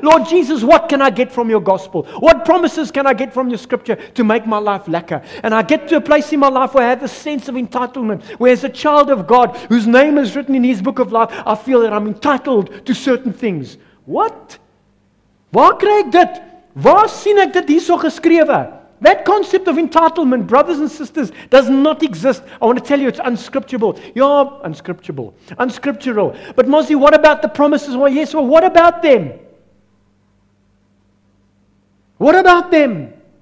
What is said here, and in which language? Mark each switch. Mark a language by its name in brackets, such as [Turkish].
[English] Lord Jesus, what can I get from your gospel? What promises can I get from your scripture to make my life lacquer? And I get to a place in my life where I have a sense of entitlement, where as a child of God, whose name is written in his book of life, I feel that I'm entitled to certain things. What? [Afrikaans] Waar kry ek dit? Waar sien ek dit hierso geskrewe? [English] That concept of entitlement, brothers and sisters, does not exist. I want to tell you, it's unscriptural. You're unscriptural. Unscriptural. But Mozzie, what about the promises? Well, yes, well, what about them? What about them?